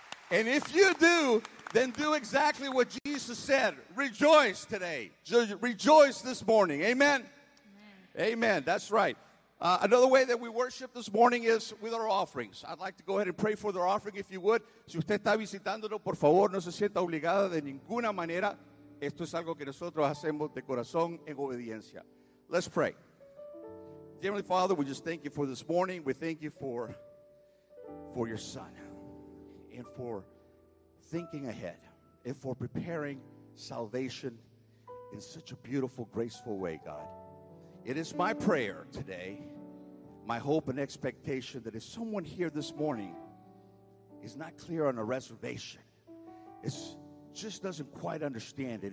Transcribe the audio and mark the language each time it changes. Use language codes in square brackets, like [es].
[en] And if you do, then do exactly what Jesus said. Rejoice today. Rejoice this morning. Amen? Amen. Amen. That's right. Another way that we worship this morning is with our offerings. I'd like to go ahead and pray for their offering, if you would. [es] Si usted está visitándonos, por favor, no se sienta obligada de ninguna manera. Esto es algo que nosotros hacemos de corazón en obediencia. [en] Let's pray. Dear Heavenly Father, we just thank you for this morning. We thank you for your son and for thinking ahead and for preparing salvation in such a beautiful, graceful way, God. It is my prayer today, my hope and expectation that if someone here this morning is not clear on a reservation, it just doesn't quite understand it.